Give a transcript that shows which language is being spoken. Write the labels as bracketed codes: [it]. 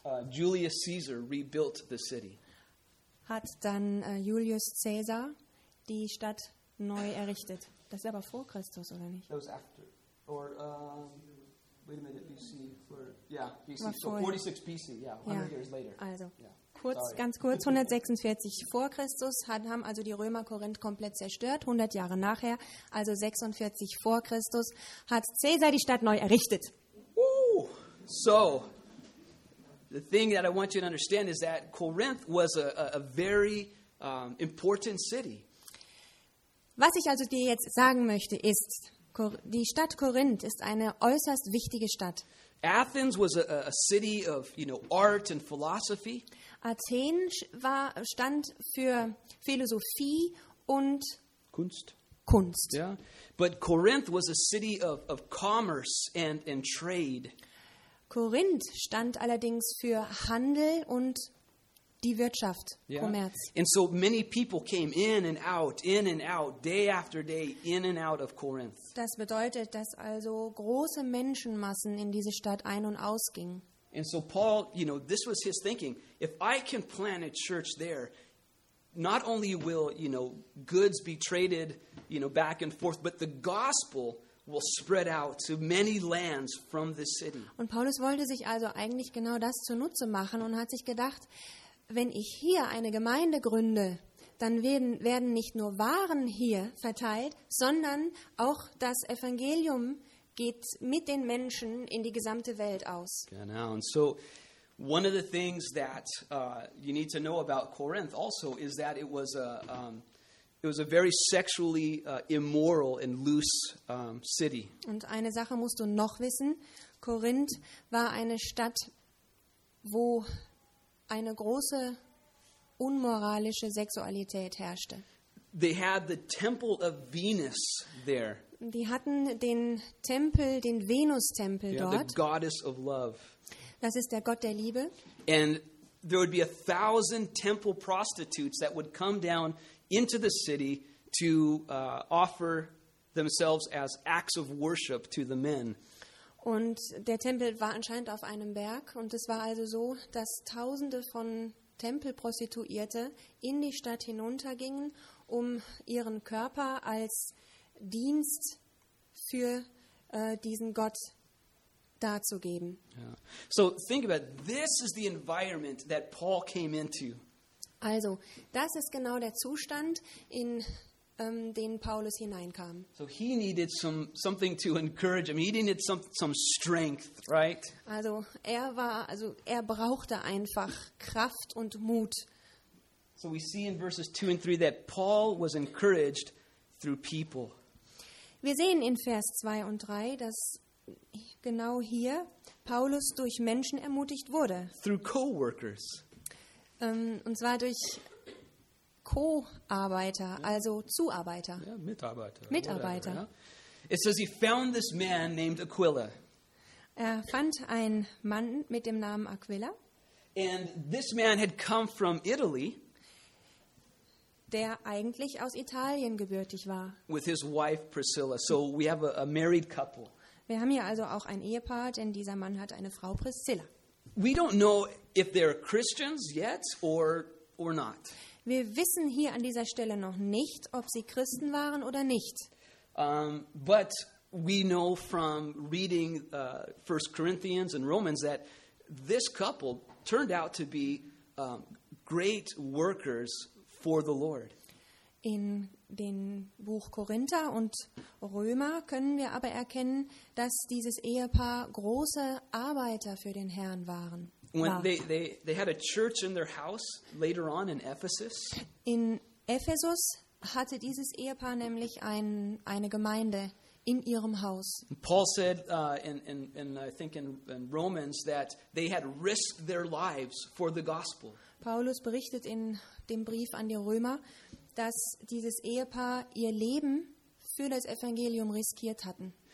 [en] Julius Caesar rebuilt the city. [de] Hat dann Julius Caesar die Stadt neu errichtet. Das ist aber vor Christus, oder nicht? [en] That was after. Or, wait a minute, BC. For, yeah, BC. So 46 BC, yeah, 100 years later. Also, yeah. [de] Ganz kurz, 146 vor Christus haben also die Römer Korinth komplett zerstört. 100 Jahre nachher, also 46 vor Christus, hat Caesar die Stadt neu errichtet. [en] So, the thing that I want you to understand is that Corinth was a very important city. [de] Was ich also dir jetzt sagen möchte, ist, die Stadt Korinth ist eine äußerst wichtige Stadt. [en] Athens was a city of, you know, art and philosophy. [de] Athen stand für Philosophie und Kunst. [en] Yeah. But Corinth was a city of commerce and trade. [de] Korinth stand allerdings für Handel und die Wirtschaft, yeah. Kommerz. [en] And so many people came in and out, day after day, in and out of Corinth. [de] Das bedeutet, dass also große Menschenmassen in diese Stadt ein- und ausgingen. [en] And so Paul, you know, this was his thinking. If I can plant a church there, not only will, you know, goods be traded, you know, back and forth, but the gospel will spread out to many lands from this city. [de] Und Paulus wollte sich also eigentlich genau das zunutze machen und hat sich gedacht, wenn ich hier eine Gemeinde gründe, dann werden nicht nur Waren hier verteilt, sondern auch das Evangelium geht mit den Menschen in die gesamte Welt aus. Genau. Und so, [en] one of the things that you need to know about Corinth also is that it was a very sexually immoral and loose city. [de] Und eine Sache musst du noch wissen: Korinth war eine Stadt, wo eine große unmoralische Sexualität herrschte. [en] They had the temple of Venus there. [de] Die hatten den Tempel, den Venustempel dort. [en] The goddess of love. [de] Das ist der Gott der Liebe. [en] And there would be 1,000 temple prostitutes that would come down into the city to offer themselves as acts of worship to the men. [de] Und der Tempel war anscheinend auf einem Berg, und es war also so, dass Tausende von Tempelprostituierte in die Stadt hinuntergingen, um ihren Körper als Dienst für diesen Gott darzugeben. [en] Yeah. So think about it. This is the environment that Paul came into. [de] Also, das ist genau der Zustand, in den Paulus hineinkam. [en] So he needed something to encourage him. He needed some strength, right? [de] Also, er brauchte einfach Kraft und Mut. [en] So we see in verses 2 and 3 that Paul was encouraged through people. [de] Wir sehen in Vers 2 und 3, dass genau hier Paulus durch Menschen ermutigt wurde. [en] Through co-workers. [de] Und zwar durch Co-Arbeiter, also Zuarbeiter. Ja, Mitarbeiter. Mitarbeiter. [en] Whatever, yeah. It says he found this man named Aquila. [de] Er fand einen Mann mit dem Namen Aquila. [en] And this man had come from Italy. [de] Der eigentlich aus Italien gebürtig war. [en] With his wife Priscilla. So we have a married couple. [de] Wir haben hier also auch ein Ehepaar, denn dieser Mann hat eine Frau, Priscilla. [en] We don't know if they're Christians yet or not. [de] Wir wissen hier an dieser Stelle noch nicht, ob sie Christen waren oder nicht. [en] But we know from reading 1 Corinthians and Romans that this couple turned out to be great workers for the Lord. [de] In den Buch Korinther und Römer können wir aber erkennen, dass dieses Ehepaar große Arbeiter für den Herrn waren. [en] They had a church in their house later on in Ephesus. [de] In Ephesus hatte dieses Ehepaar nämlich eine Gemeinde in ihrem Haus. [en] Paul said in Romans that they had risked their lives for the gospel. [de] Paulus berichtet in dem Brief an die Römer, dass dieses Ehepaar ihr Leben für das Evangelium riskiert hatten.